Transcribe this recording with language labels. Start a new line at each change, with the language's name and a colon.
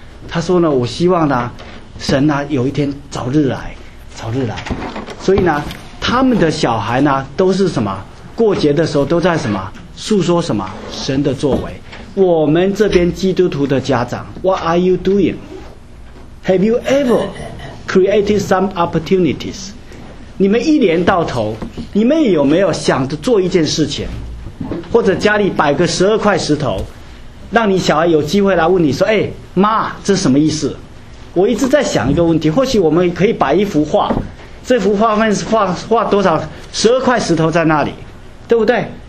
Chinese: 他说呢，我希望呢，神呢有一天早日来，早日来。所以呢，他们的小孩呢都是什么？过节的时候都在什么诉说什么神的作为。我们这边基督徒的家长
English: What are you doing? Have you ever created some opportunities?
Chinese: 你们一年到头，你们有没有想着做一件事情，或者家里摆个12块石头，让你小孩有机会来问你说，哎妈，这什么意思？我一直在想一个问题，或许我们可以摆一幅画，这幅画面画多少12块石头在那里，对不对？